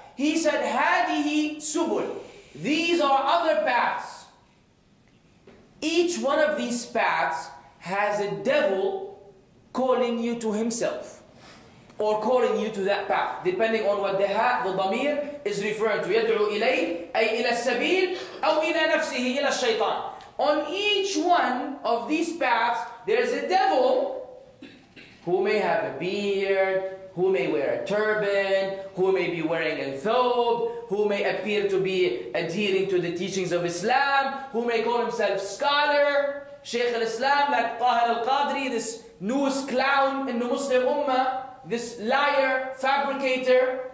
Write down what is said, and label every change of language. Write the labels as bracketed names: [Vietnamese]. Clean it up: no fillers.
[English] He said, هَذِهِ سُبُلٌ. These are other paths. Each one of these paths has a devil calling you to himself or calling you to that path, depending on what the dhamir is referring to. [Arabic] يدعو إليه أي إلى السبيل أو إلى نفسه إلى الشيطان. [English] On each one of these paths, there's a devil who may have a beard, who may wear a turban, who may be wearing a thobe, who may appear to be adhering to the teachings of Islam, who may call himself scholar, Shaykh al-Islam, like Tahir al-Qadri, this newest clown in the Muslim Ummah, this liar, fabricator.